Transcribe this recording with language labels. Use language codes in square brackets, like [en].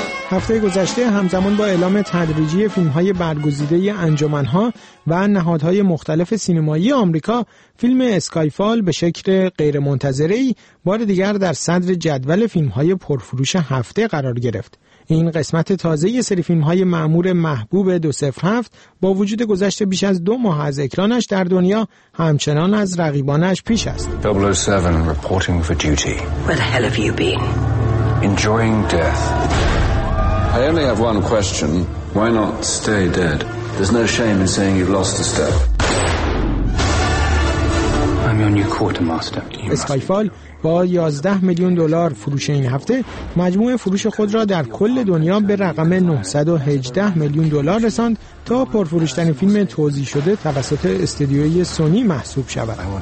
[fa] هفته گذشته همزمان با اعلام تدریجی فیلم‌های برگزیده انجمن‌ها و نهادهای مختلف سینمایی آمریکا، فیلم اسکای فال به شکل غیرمنتظره‌ای بار دیگر در صدر جدول فیلم‌های پرفروش هفته قرار گرفت. این قسمت تازه سری فیلم‌های مأمور محبوب 2007 با وجود گذشت بیش از 2 ماه از اکرانش در دنیا همچنان از رقیبانش پیش است. [en] 007 reporting for duty. Where the hell have you been? Enjoying death. I only have one question. Why not stay dead? There's no shame in saying you've lost a step. I'm [fa] اسکایفال با 11 میلیون دلار فروش این هفته مجموع فروش خود را در کل دنیا به رقم 918 میلیون دلار رساند تا پرفروش‌ترین فیلم توزیع شده توسط استودیوی سونی محسوب شود.